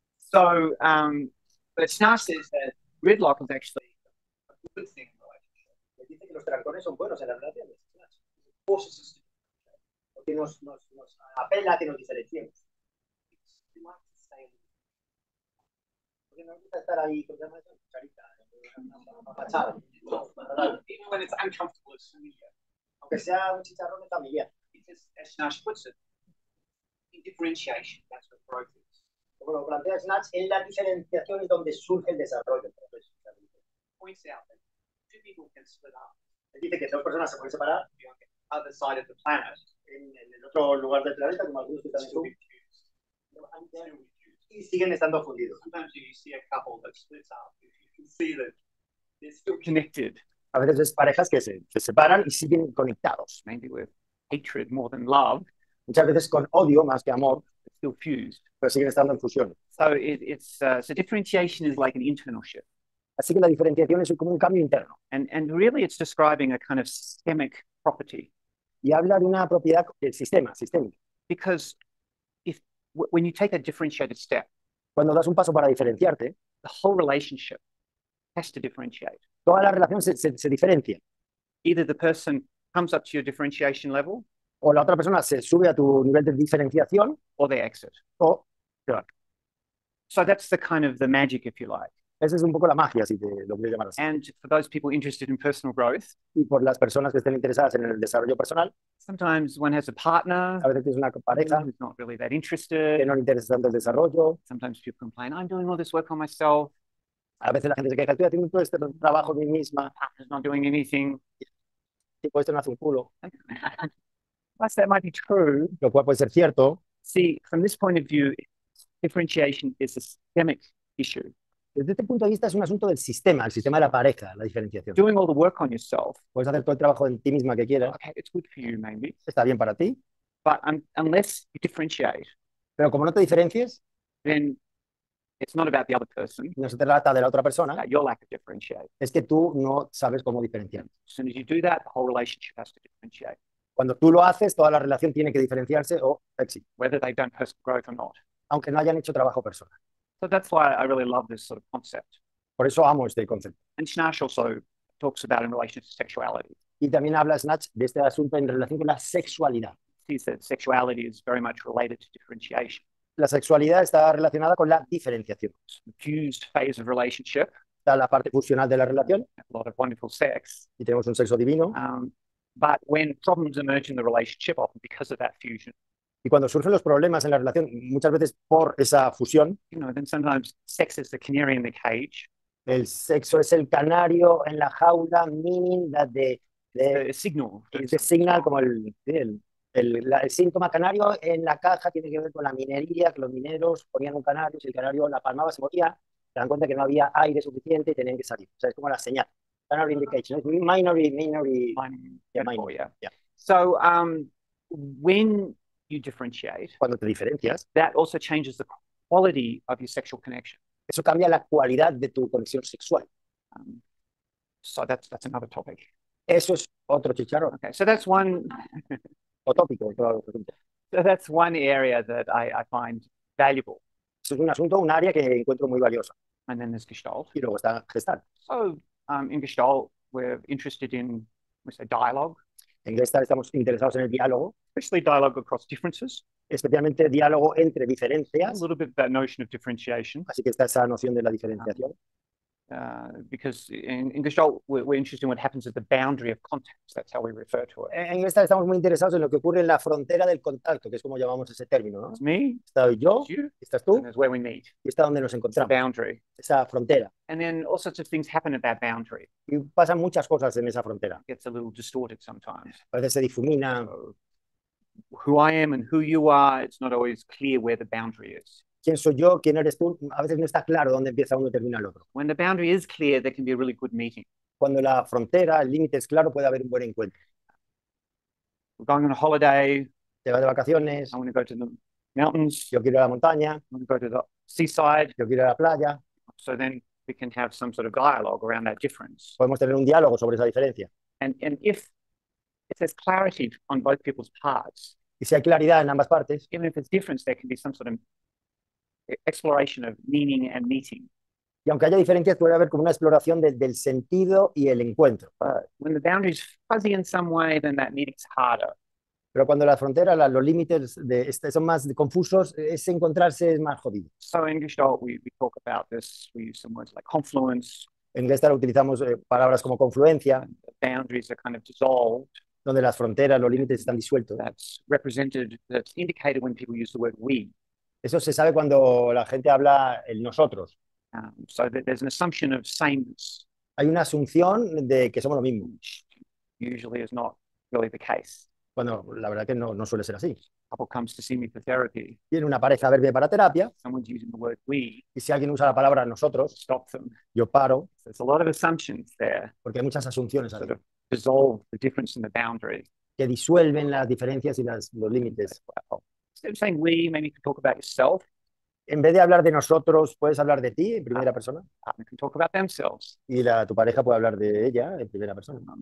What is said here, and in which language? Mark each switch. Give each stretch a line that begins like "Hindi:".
English: So, but Snar says that gridlock is actually a good thing. when it's uncomfortable, it's familiar.
Spanish: Aunque sea un chicharrón de familia.
English: Because, as Snar puts it, differentiation, that's what growth is.
Spanish: Bueno, plantea Snatch en la diferenciación es donde surge el desarrollo.
English: Points out that two people can split up.
Spanish: Dice que dos personas se pueden separar.
English: The other side of the planet.
Spanish: En el otro lugar del planeta, como algunos que también son. Y siguen estando fundidos.
English: Sometimes you see a couple that splits up. You can see that they're still connected.
Spanish: A veces ves parejas que se separan y siguen conectados.
English: Maybe with hatred more than love.
Spanish: Muchas veces con odio más que amor.
English: Still fused.
Spanish: Pero siguen estando en fusión.
English: So it's so differentiation is like an internal shift.
Spanish: Así que la diferenciación es como un cambio interno.
English: And really it's describing a kind of systemic property.
Spanish: Y habla de una propiedad del sistema, sistémica.
English: Because if when you take a differentiated step,
Spanish: cuando das un paso para diferenciarte,
English: the whole relationship has to differentiate.
Spanish: Toda la relación se diferencia.
English: Either the person comes up to your differentiation level.
Spanish: O la otra persona se sube a tu nivel de diferenciación.
English: O they exit.
Spanish: O,
English: so that's the kind of the magic, if you like.
Spanish: Esa es un poco la magia, si te lo quieres llamar así.
English: And for those people interested in personal growth.
Spanish: Y por las personas que estén interesadas en el desarrollo personal.
English: Sometimes one has a partner.
Spanish: A veces tienes una pareja.
English: Who's not really that interested.
Spanish: Que no le interesa tanto el desarrollo.
English: Sometimes people complain, I'm doing all this work on myself.
Spanish: A veces la gente se queja, estoy haciendo todo este trabajo en mí misma.
English: I'm not doing anything.
Spanish: Tipo, esto no hace un culo.
English: Plus, that might be true.
Spanish: Lo cual puede ser cierto.
English: See, from this point of view, differentiation is a systemic issue.
Spanish: Desde este punto de vista, es un asunto del sistema, el sistema de la pareja, la diferenciación.
English: Doing all the work on yourself.
Spanish: Puedes hacer todo el trabajo en ti misma que quieras.
English: Okay, it's good for you, maybe.
Spanish: Está bien para ti.
English: But unless you differentiate,
Spanish: pero como no te diferencies,
English: then it's not about the other person.
Spanish: No se trata de la otra persona.
English: It's about your lack of differentiate.
Spanish: Es que tú no sabes cómo diferenciar.
English: As soon as you do that, the whole relationship has to differentiate.
Spanish: Cuando tú lo haces, toda la relación tiene que diferenciarse o exit.
English: Whether they've done personal growth or not.
Spanish: Aunque no hayan hecho trabajo personal.
English: So that's why I really love this sort of concept.
Spanish: Por eso amo este concepto.
English: And Snatch also talks about in relation to sexuality.
Spanish: Y también habla Snatch de este asunto en relación con la sexualidad.
English: He said sexuality is very much related to differentiation.
Spanish: La sexualidad está relacionada con la diferenciación.
English: Fused phase of relationship.
Spanish: Está la parte fusional de la relación.
English: A lot of wonderful sex.
Spanish: Y tenemos un sexo divino.
English: But when problems emerge in the relationship, often because of that fusion.
Spanish: Y cuando surgen los problemas en la relación, muchas veces por esa fusión.
English: You know, then sometimes sex is the canary in the cage.
Spanish: El sexo es el canario en la jaula,
English: meaning that the signal. It's a signal,
Spanish: como el síntoma canario en la caja tiene que ver con la minería, que los mineros ponían un canario, si el canario la palmaba, se moría. Se dan cuenta que no había aire suficiente y tenían que salir. O sea, es como la señal.
English: Canary in the cage, ¿no? Minor. Yeah. So, when you differentiate,
Spanish: cuando te diferencias,
English: that also changes the quality of your sexual connection.
Spanish: Eso cambia la cualidad de tu conexión sexual.
English: So that's another topic.
Spanish: Eso es otro chicharrón.
English: Okay, so that's one.
Spanish: O tópico, otro punto.
English: So that's one area that I find valuable.
Spanish: Eso es un asunto, un área que encuentro muy valiosa.
English: And then there's gestalt.
Spanish: Y luego está gestalt.
English: So, in gestalt, we're interested in, we say, dialogue.
Spanish: En gestalt estamos interesados en el diálogo.
English: Especially dialogue across differences.
Spanish: Especialmente diálogo entre diferencias.
English: A little bit of that notion of differentiation.
Spanish: Así que está esa noción de la diferenciación.
English: Because in gestalt, we're interested in what happens at the boundary of contact. That's how we refer to it.
Spanish: En gestalt estamos muy interesados en lo que ocurre en la frontera del contacto, que es como llamamos ese término, ¿no?
English: It's me.
Spanish: Estoy yo.
English: It's you.
Spanish: Estás tú.
English: And it's where we meet.
Spanish: Y está donde nos encontramos.
English: The boundary.
Spanish: Esa frontera.
English: And then all sorts of things happen at that boundary.
Spanish: Y pasan muchas cosas en esa frontera.
English: It gets a little distorted sometimes.
Spanish: A veces se difumina.
English: Who I am and who you are, it's not always clear where the boundary is.
Spanish: ¿Quién soy yo? ¿Quién eres tú? A veces no está claro dónde empieza uno y termina el otro.
English: When the boundary is clear, there can be a really good meeting.
Spanish: Cuando la frontera, el límite es claro, puede haber un buen encuentro.
English: We're going on a holiday.
Spanish: Te vas de
English: I
Spanish: vacaciones.
English: want to go to the mountains.
Spanish: Yo quiero ir a la montaña.
English: I want to go to the seaside.
Spanish: Yo quiero ir a la playa.
English: So then we can have some sort of dialogue around that difference.
Spanish: Podemos tener un diálogo sobre esa diferencia.
English: And if there's clarity on both people's parts,
Spanish: Y si hay claridad en ambas partes,
English: even if there's difference, there can be some sort of exploration of meaning and meeting.
Spanish: y aunque haya diferencias, puede haber como una exploración del sentido y el encuentro.
English: But when the boundary is fuzzy in some way, then that meeting's harder.
Spanish: Pero cuando las fronteras, los límites son más confusos, ese encontrarse es más jodido.
English: So in Gestalt, we talk about this. We use some words like confluence.
Spanish: En inglés utilizamos palabras como confluencia,
English: And the boundaries are kind of dissolved.
Spanish: donde las fronteras, los límites están
English: And
Spanish: disueltos.
English: that's represented, that's indicated when people use the word we.
Spanish: Eso se sabe cuando la gente habla el nosotros.
English: So there's an assumption of sameness,
Spanish: Hay una asunción de que somos lo mismo.
English: which usually is not really the case.
Spanish: Bueno, la verdad que no suele ser así.
English: Couple comes to see me for therapy.
Spanish: Viene una pareja a verme para terapia.
English: Someone's using the word we.
Spanish: Y si alguien usa la palabra nosotros,
English: Stop them.
Spanish: yo paro.
English: There's a lot of assumptions there,
Spanish: Porque hay muchas asunciones
English: sort
Spanish: ahí
English: of dissolve the difference in the boundary.
Spanish: que disuelven las diferencias y los límites.
English: Well, instead of saying we, maybe you can talk about yourself.
Spanish: En vez de hablar de nosotros, puedes hablar de ti en primera persona.
English: You can talk about themselves.
Spanish: Y tu pareja puede hablar de ella en primera persona.